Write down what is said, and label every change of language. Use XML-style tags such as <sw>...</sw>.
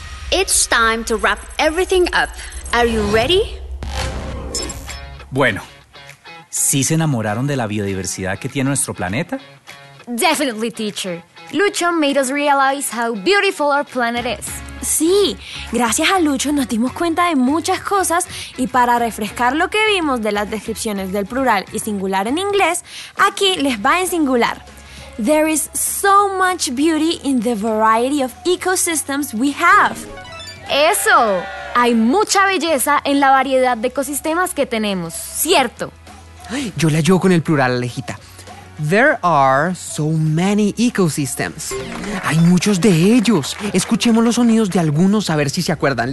<en>It's time to wrap everything up. Are you ready?</en> <es>Bueno, ¿sí se enamoraron de la biodiversidad que tiene nuestro planeta?</es> <en>Definitely, teacher. Lucho made us realize how beautiful our planet is.</en> <es>Sí, gracias a Lucho nos dimos cuenta de muchas cosas y para refrescar lo que vimos de las descripciones del plural y singular en inglés, aquí les va en singular.</es> <en>There is so much beauty in the variety of ecosystems we have.</en> <es>¡Eso! Hay mucha belleza en la variedad de ecosistemas que tenemos, ¿cierto? Yo la llevo con el plural, Alejita.</es> <en>There are so many ecosystems.</en> <es>Hay muchos de ellos. Escuchemos los sonidos de algunos a ver si se acuerdan.</es>